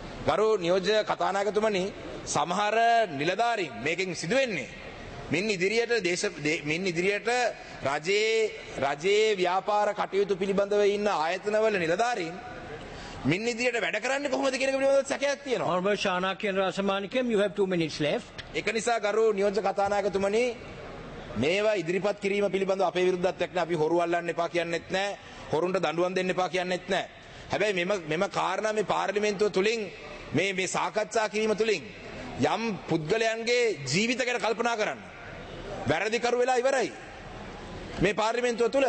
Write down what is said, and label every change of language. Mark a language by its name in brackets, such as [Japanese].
[Sinhala] ගරු නියෝජ්‍ය කතානායකතුමනි සමහර නිලධාරීන් මේකෙන් සිදු වෙන්නේ මින් ඉදිරියට රජයේ ව්‍යාපාර කටයුතු පිළිබඳව ඉන්න ආයතනවල නිලධාරීන් මින් ඉදිරියට වැඩ කරන්නේ කොහොමද කියන පිළිබඳව සැකයක් තියෙනවා. [English] Honorable Shanakyan Rasamanikam, you have 2 minutes left. [Sinhala] ඒක නිසා ගරු නියෝජ්‍ය කතානායකතුමනි මේවා ඉදිරිපත් කිරීම පිළිබඳව අපේ විරුද්ධත්වයක් නෑ. අපි හොරු අල්ලන්න එපා කියන්නෙත් නෑ. හොරුන්ට දඬුවම් දෙන්න එපා කියන්නෙත් නෑ. හැබැයි මෙම කාරණා මේ පාර්ලිමේන්තුව තුලින් මේ සාකච්ඡා කිරීම තුලින් යම් පුද්ගලයන්ගේ ජීවිත ගැන කල්පනා කරන්න වැරදිකරු වෙලා ඉවරයි මේ පාර්ලිමේන්තුව තුල.